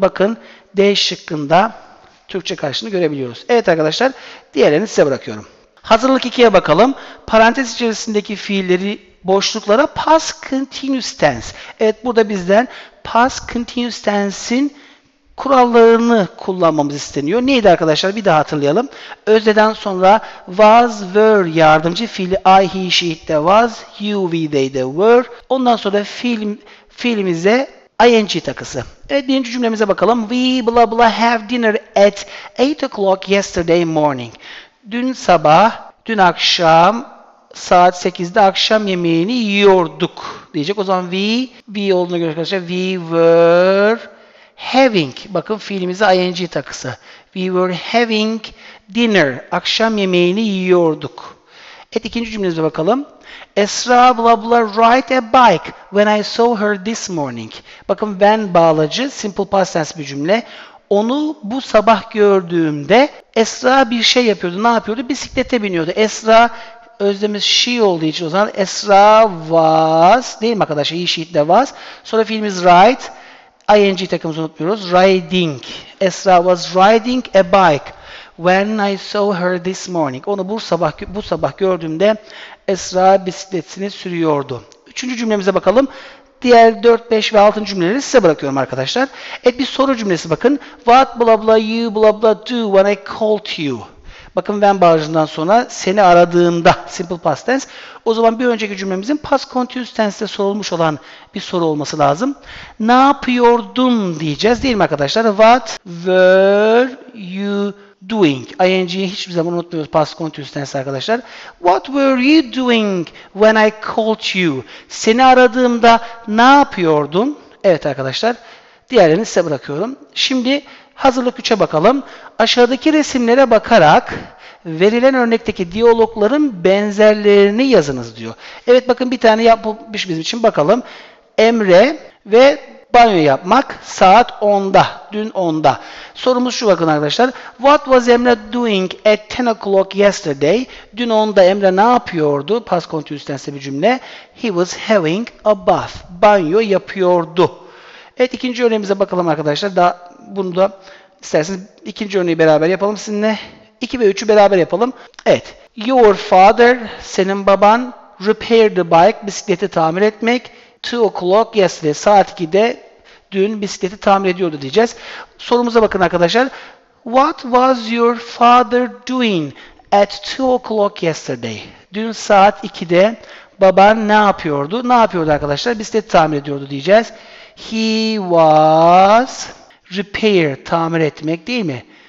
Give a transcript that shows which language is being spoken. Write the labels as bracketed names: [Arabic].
[Turkish] Bakın D şıkkında Türkçe karşılığını görebiliyoruz. Evet arkadaşlar, diğerlerini size bırakıyorum. Hazırlık 2'ye bakalım. Parantez içerisindeki fiilleri boşluklara past continuous tense. Evet burada bizden past continuous tense'in kurallarını kullanmamız isteniyor. Neydi arkadaşlar? Bir daha hatırlayalım. Özneden sonra was, were yardımcı fiili I, he, she, it de was, you, we, they de were. Ondan sonra fiilimize ing takısı. Evet birinci cümlemize bakalım. [English] We blah blah have dinner at 8 o'clock yesterday morning. [Turkish] Dün sabah, dün akşam saat 8'de akşam yemeğini yiyorduk diyecek. O zaman we olduğuna göre arkadaşlar [English] we were having. [Turkish] Bakın fiilimize ing takısı. [English] We were having dinner. [Turkish] Akşam yemeğini yiyorduk. Evet ikinci cümlemize bakalım. [English] Esra blah blah ride a bike when I saw her this morning. [Turkish] Bakın when bağlacı simple past tense bir cümle. Onu bu sabah gördüğümde Esra bir şey yapıyordu. Ne yapıyordu? Bislete biniyordu. Esra özlemiz she olduğu için o zaman Esra was değil mi arkadaşlar? He, she, it de was. Sonra fiilimiz ride. ing takımızı unutmuyoruz. Riding. [English] Esra was riding a bike when I saw her this morning. [Turkish] Onu bu sabah gördüğümde Esra bisikletini sürüyordu. Üçüncü cümlemize bakalım. Diğer 4, 5 ve 6. cümleleri size bırakıyorum arkadaşlar. Evet bir soru cümlesi bakın. [English] What blah blah you blah blah do when I called you? [Turkish] Bakın ben bağlacından sonra seni aradığımda simple past tense. O zaman bir önceki cümlemizin past continuous tense'te sorulmuş olan bir soru olması lazım. Ne yapıyordun diyeceğiz değil mi arkadaşlar? [English] What were you doing? [Turkish] ING'i hiçbir zaman unutmuyoruz past continuous tense arkadaşlar. [English] What were you doing when I called you? [Turkish] Seni aradığımda ne yapıyordun? Evet arkadaşlar, diğerlerini size bırakıyorum. Şimdi hazırlık 3'e bakalım. Aşağıdaki resimlere bakarak verilen örnekteki diyalogların benzerlerini yazınız diyor. Evet bakın bir tane yapmış bizim için bakalım. Emre ve Banyo yapmak saat 10'da. Dün 10'da. Sorumuz şu bakın arkadaşlar. [English] What was Emre doing at 10 o'clock yesterday? [Turkish] Dün 10'da Emre ne yapıyordu? Past continuous'ten size bir cümle. [English] He was having a bath. [Turkish] Banyo yapıyordu. Evet, ikinci örneğimize bakalım arkadaşlar. Daha bunu da isterseniz ikinci örneği beraber yapalım sizinle. 2 ve 3'ü beraber yapalım. Evet. [English] Your father, [Turkish] senin baban, [English] repaired the bike, [Turkish] bisikleti tamir etmek. [English] 2 o'clock yesterday, [Turkish] saat 2'de dün bisikleti tamir ediyordu diyeceğiz. Sorumuza bakın arkadaşlar. [English] What was your father doing at 2 o'clock yesterday? [Turkish] Dün saat 2'de baban ne yapıyordu? Ne yapıyordu arkadaşlar? Bisikleti tamir ediyordu diyeceğiz. [English] He was repair, [Turkish] tamir etmek değil mi?